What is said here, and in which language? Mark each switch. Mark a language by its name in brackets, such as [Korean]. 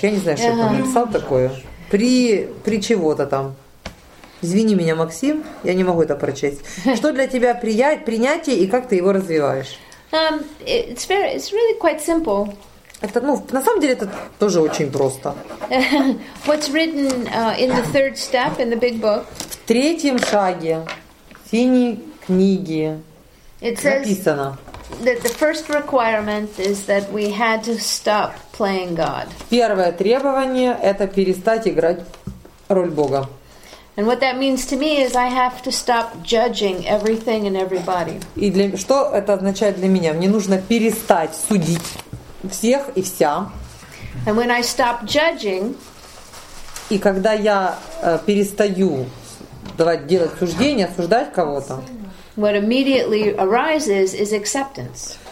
[Russian] Я не знаю, что я там написал такое. При чего-то там. Извини меня, Максим, я не могу это прочесть. Что для тебя принятие и как ты его развиваешь? [English] It's really quite simple. [Russian] Это, ну, на самом деле, это тоже очень просто. [English] What's written in the third step in the big book? [Russian] В третьем шаге синий книги. [English] It says [Russian] написано, [English] that the first requirement is that we had to stop playing God. [Russian] Первое требование – это перестать играть роль Бога. [English] And what that means to me is I have to stop judging everything and everybody. [Russian] И для, что это означает для меня? Мне нужно перестать судить всех и вся. [English] And when I stop judging, [Russian] и когда я перестаю давать, делать суждения, осуждать кого-то, [English] what immediately arises is acceptance.